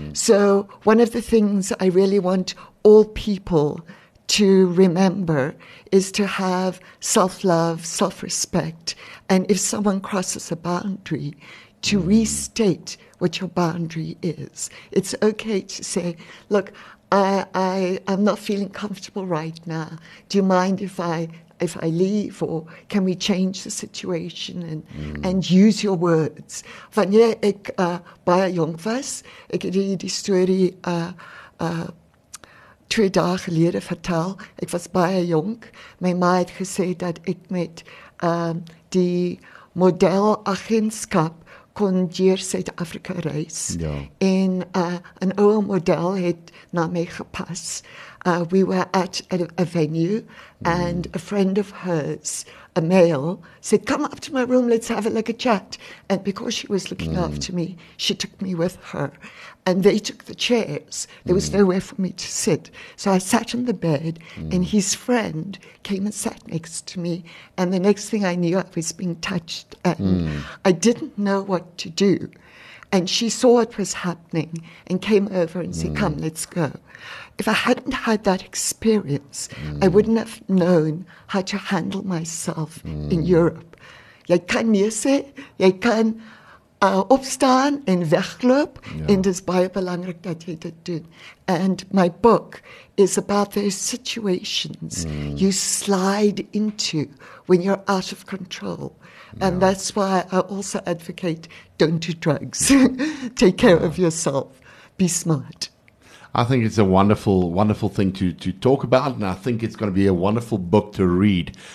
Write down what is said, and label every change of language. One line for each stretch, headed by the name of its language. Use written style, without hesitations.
English: So one of the things I really want all people to remember is to have self-love, self-respect, and if someone crosses a boundary, to restate what your boundary is. It's okay to say, look, I'm not feeling comfortable right now. Do you mind if I leave, or can we change the situation and use your words?
Afrikaans: Wanneer ek baie jong was, ek het die story twee dae gelede vertel. Ek was baie jong. My ma het gesê dat ek met die model agentskap kon deur Suid-Afrika reis. En
English: an old model
Afrikaans: het na my gepas.
English: We were at a venue and a friend of hers, a male, said, come up to my room, let's have a look at chat. And because she was looking after me, she took me with her. And they took the chairs. There was nowhere for me to sit. So I sat on the bed and his friend came and sat next to me. And the next thing I knew, I was being touched. And I didn't know what to do. And she saw what was happening and came over and said, come, let's go. If I hadn't had that experience, I wouldn't have known how to handle myself in Europe.
Afrikaans: Jy kan nie sê, jy kan opstaan en wegloop, en dis baie belangrik dat jy dit doen.
English: And my book is about those situations you slide into when you're out of control. And that's why I also advocate, don't do drugs. Take care of yourself. Be smart. I think it's a wonderful, wonderful thing to talk about, and I think it's going to be a wonderful book to read.